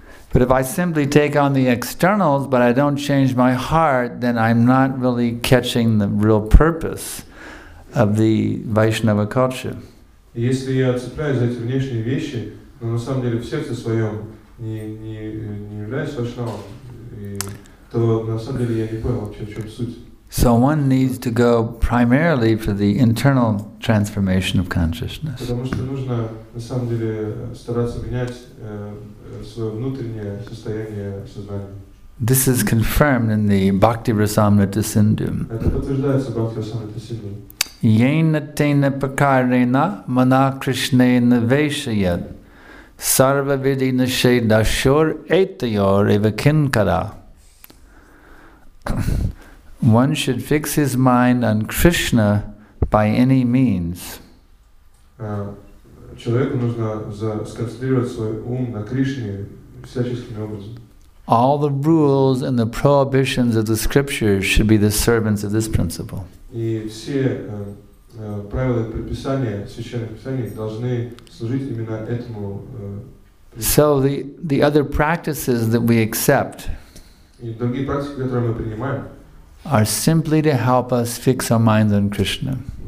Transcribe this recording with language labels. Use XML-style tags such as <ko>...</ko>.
<en>But if I simply take on the externals, but I don't change my heart, then I'm not really catching the real purpose of the Vaishnava culture.</en> <ru>Если я цепляюсь за эти внешние вещи, но на самом деле в сердце своем не являюсь Вайшнавом, то на самом деле я не понял вообще, в чем суть.</ru> <en>So one needs to go primarily for the internal transformation of consciousness.</en> <ru>Потому что нужно на самом деле стараться менять свое внутреннее состояние сознания.</ru> <en>This is confirmed in the Bhakti Rasamrita Sindhu.</en> <ru>Это подтверждается в Бхакти Расамрита Синдху.</ru> <sa>Yena tena prakarena mana krishnena veshayat sarva vidhi nishedashur etayor eva kinkara.</sa> <en>One should fix his mind on Krishna by any means.</en> <ru>Человеку нужно сконцентрировать свой ум на Кришне всяческими образом.</ru> <en>All the rules and the prohibitions of the scriptures should be the servants of this principle.</en> <ru>И все правила и предписания священных писаний должны служить именно этому принципу.</ru> <en>So the other practices that we accept.</en> <ru>И другие практики, которые мы принимаем.</ru> <en>Are simply to help us fix our minds on Krishna.</en>